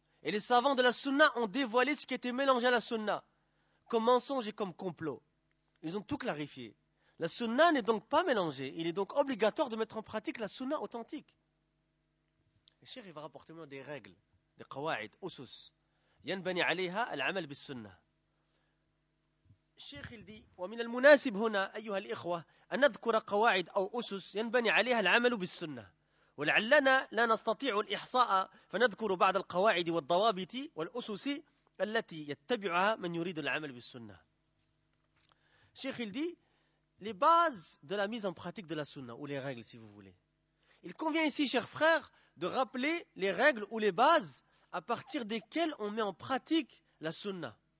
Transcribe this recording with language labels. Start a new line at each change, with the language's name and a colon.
French: Et les savants de la Sunna ont dévoilé ce qui était mélangé à la Sunna, comme mensonge et comme complot. Ils ont tout clarifié. La Sunna n'est donc pas mélangée. Il est donc obligatoire de mettre en pratique la Sunna authentique. Et chéri, il va rapporter maintenant des règles, des qawa'id, usus.
Arabic: ينبني عليها العمل بالسنة. الشيخ اللي ومن المناسب هنا أيها الإخوة أن نذكر قواعد أو أسس ينبني عليها العمل بالسنة، ولعلنا لا نستطيع الإحصاء فنذكر بعض القواعد والضوابط والأسس التي يتبعها من يريد العمل بالسنة. الشيخ اللي
French: les bases de la mise en pratique de la sunna ou les règles si vous voulez. Il convient ici, chers frères, de rappeler les règles ou les bases à partir desquels on met en pratique la sunna.